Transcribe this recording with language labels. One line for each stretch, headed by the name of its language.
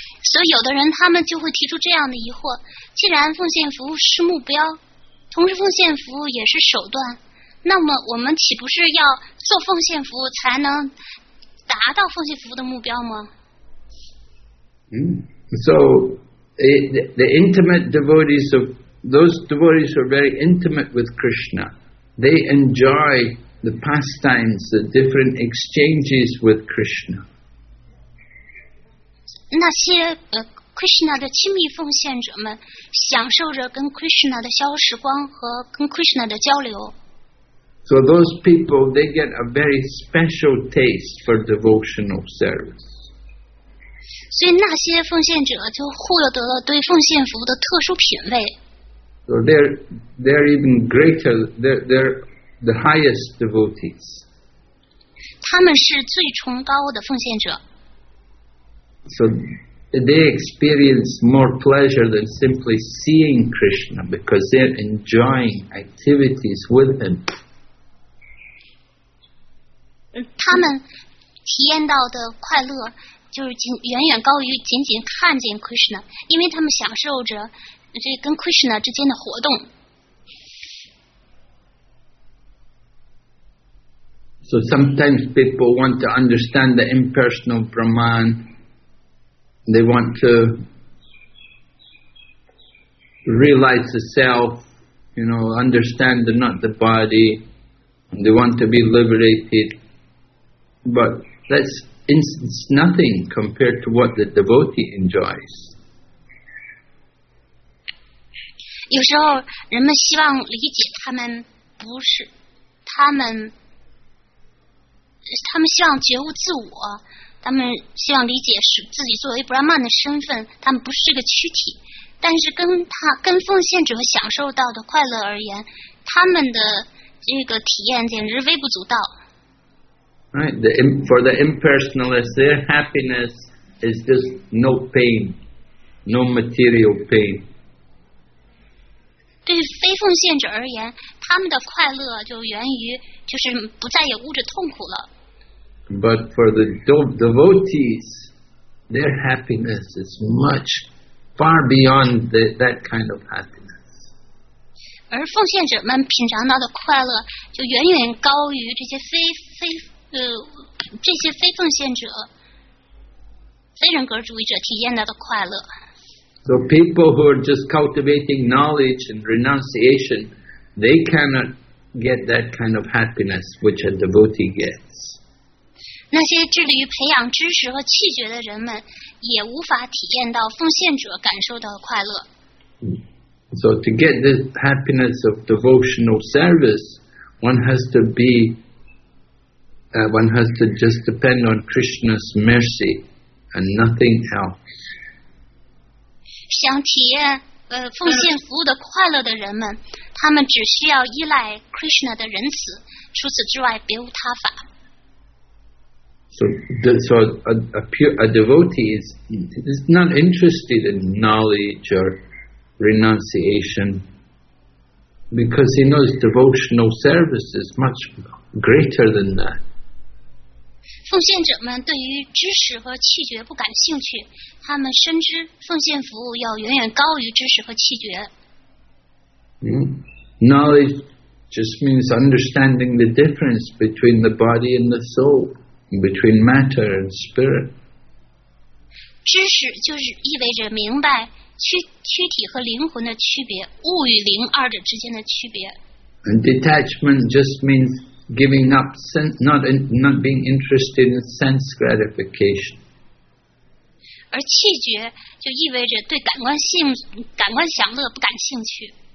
Chinese: So 有的人他们就会提出这样的疑惑，既然奉献服务是目标，同时奉献服务也是手段，那么我们岂不是要做奉献服务才能达到奉献服务的目标吗？
English: So the intimate devotees of those devotees who are very intimate with Krishna, they enjoy the pastimes, the different exchanges with Krishna.
Chinese: 那些Krishna 的亲密奉献者们享受着跟 Krishna 的消时光和跟 Krishna 的交流。
English: So those people, they get a very special taste for devotional service.
Chinese: 所以那些奉献者就获得了对奉献服务的特殊品味。
English: So they're even greater, they're the highest devotees.
Chinese: 他们是最崇高的奉献者。
English: So they experience more pleasure than simply seeing Krishna because they're enjoying activities with him.
Chinese: 他们体验到的快乐就是远远高于仅仅看见 Krishna, 因为他们享受着这跟 Krishna 之间的活动。
English: So sometimes people want to understand the impersonal Brahman. They want to realize the self, you know, understand the, not the body. They want to be liberated. But that's it's nothing compared to what the devotee enjoys.
Chinese: 有时候人们希望理解他们不是他们他们希望觉悟自我。他们希望理解是自己作为 Brahman 的身份，他们不是这个躯体，但是跟奉献者享受到的快乐而言，他们的这个体验简直微不足道。
English: Right, for the impersonalists, their happiness is just no pain, no material pain.
Chinese: 对于非奉献者而言，他们的快乐就源于就是不再有物质痛苦了。
English: But for the devotees, their happiness is much far beyond that kind of happiness.
Chinese: 而奉献者们品尝到的快乐就远远高于这些非奉献者、非人格主义者体验到的快乐。
English: So people who are just cultivating knowledge and renunciation, they cannot get that kind of happiness which a devotee gets.
Chinese: 那些致力于培养知识和气节的人们也无法体验到奉献者感受到的快乐。
English: So to get the happiness of devotional service, one has to be, one has to just depend on Krishna's mercy and nothing else.
Chinese: 想体验奉献服务的快乐的人们，他们只需要依赖 Krishna 的仁慈，除此之外别无他法。
English: So a devotee is not interested in knowledge or renunciation because he knows devotional service is much greater than that.
Chinese: 奉献者们对于知识和气节不感兴趣，他们深知奉献服务要远远高于知识和气节。
English: Knowledge just means understanding the difference between the body and the soul. Between matter and spirit.
Chinese: 知识就是意味着明白躯体和灵魂的区别，物与灵二者之间的区别。
English: And detachment just means giving up sense, not being interested in sense gratification.
Chinese: 而气觉就意味着对感官享乐不感兴趣。